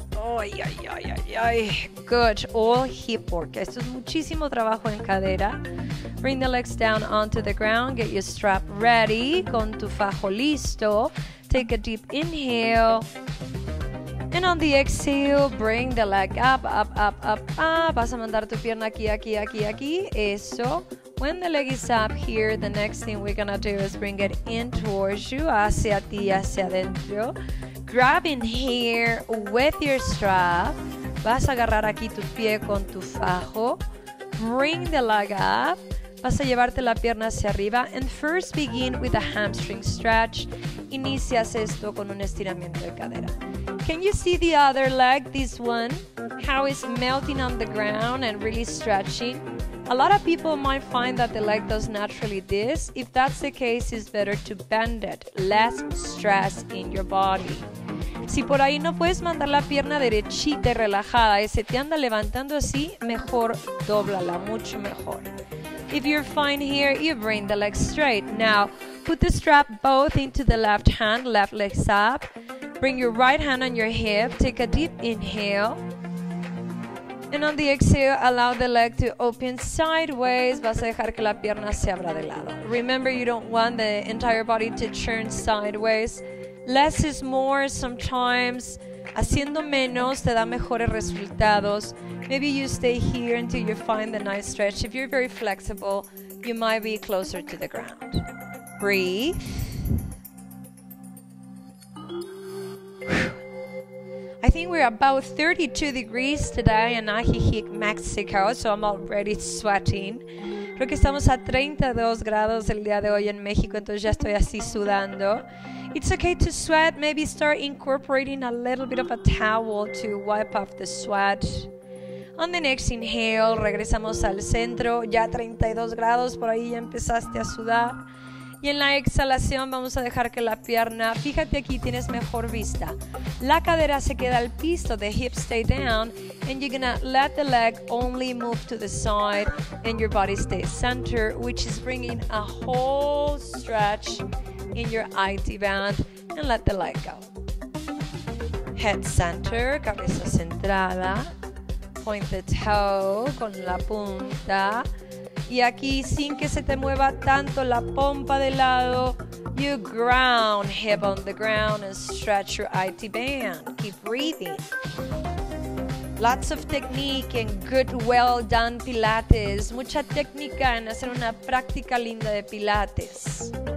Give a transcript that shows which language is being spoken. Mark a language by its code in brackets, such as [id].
[en] Ay, ay, ay, ay, ay. Good. All hip work. [es] Esto es muchísimo trabajo en cadera. [en] Bring the legs down onto the ground. Get your strap ready. [es] Con tu fajo listo. [en] Take a deep inhale. And on the exhale, bring the leg up, up, up, up, up. [es] Vas a mandar tu pierna aquí, aquí, aquí, aquí. Eso. [en] When the leg is up here, the next thing we're gonna do is bring it in towards you. [es] Hacia ti, hacia adentro. [en] Grabbing here with your strap. [es] Vas a agarrar aquí tu pie con tu fajo. [en] Bring the leg up. [es] Vas a llevarte la pierna hacia arriba. [en] And first begin with a hamstring stretch. [es] Inicias esto con un estiramiento de cadera. [en] Can you see the other leg, this one? How it's melting on the ground and really stretching? A lot of people might find that the leg does naturally this. If that's the case, it's better to bend it. Less stress in your body. [es] Si por ahí no puedes mandar la pierna derechita y relajada y se te anda levantando así, mejor dóblala, mucho mejor. [en] If you're fine here, you bring the leg straight. Now, put the strap both into the left hand, left legs up. Bring your right hand on your hip. Take a deep inhale. And on the exhale, allow the leg to open sideways. [es] Vas a dejar que la pierna se abra de lado. [en] Remember, you don't want the entire body to turn sideways. Less is more sometimes. [es] Haciendo menos te da mejores resultados. [en] Maybe you stay here until you find the nice stretch. If you're very flexible, you might be closer to the ground. Breathe. I think we're about 32 degrees today in Ajijic, Mexico, so I'm already sweating. [es] Creo que estamos a 32 grados el día de hoy en México, entonces ya estoy así sudando. [en] It's okay to sweat. Maybe start incorporating a little bit of a towel to wipe off the sweat. On the next inhale, [es] regresamos al centro. Ya 32 grados, por ahí ya empezaste a sudar. Y en la exhalación vamos a dejar que la pierna, fíjate aquí, tienes mejor vista. La cadera se queda al piso, [en] the hips stay down, and you're gonna let the leg only move to the side and your body stay center, which is bringing a whole stretch in your IT band, and let the leg go. Head center, [es] cabeza centrada, [en] point the toe [es] con la punta. Y aquí, sin que se te mueva tanto la pompa de lado, [en] you ground, hip on the ground, and stretch your IT band. Keep breathing. Lots of technique and good, well done Pilates. [es] Mucha técnica en hacer una práctica linda de Pilates.